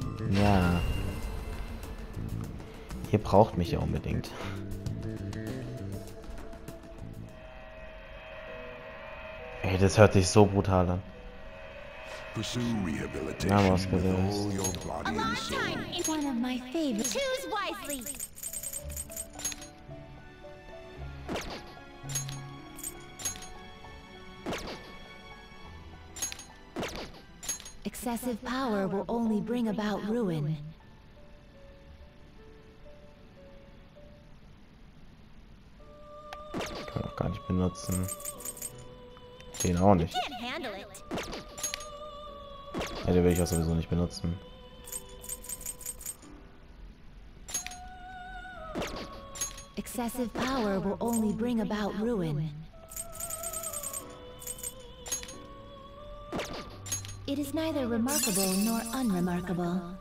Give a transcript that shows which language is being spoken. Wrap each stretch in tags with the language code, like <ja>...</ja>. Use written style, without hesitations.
<de>Ja. Hier braucht mich ja unbedingt. Ey, das hört sich so brutal an.</de> <en>Pursue rehabilitation with all your body and soul. One of my favorites. Choose wisely. Excessive power will only bring about ruin.</en> <de>Kann auch gar nicht benutzen. Den auch nicht. Ja, den will ich auch sowieso nicht benutzen.</de> <en>Excessive power will only bring about ruin. It is neither remarkable nor unremarkable.</en>